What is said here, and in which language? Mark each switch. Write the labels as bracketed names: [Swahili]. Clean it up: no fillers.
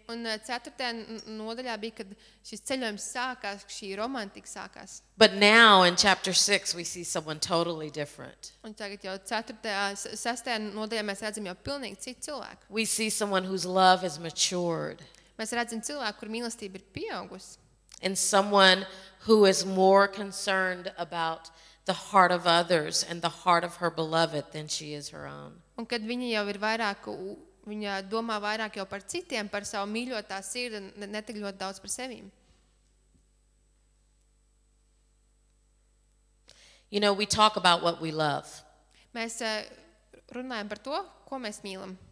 [Latvian] Un 4. Nodaļā bija, kad šis ceļojums sākās, šī romantika sākās. [English] But now in chapter 6 we see someone totally different. [Latvian] Un tagad jau 6. Nodaļā mēs redzam jau pilnīgi citu cilvēku. [English] We see someone whose love has matured. [Latvian] Mēs redzam cilvēku, kur mīlestība ir pieaugusi. [English] And someone who is more concerned about the heart of others and the heart of her beloved than she is her own. [Latvian] Un kad viņa jau ir vairāk, viņa domā vairāk jau par citiem, par savu mīļotā sirdi, netik ļoti daudz par sevi. [English] You know, we talk about what we love. [Latvian] Mēs runājam par to, ko mēs mīlam.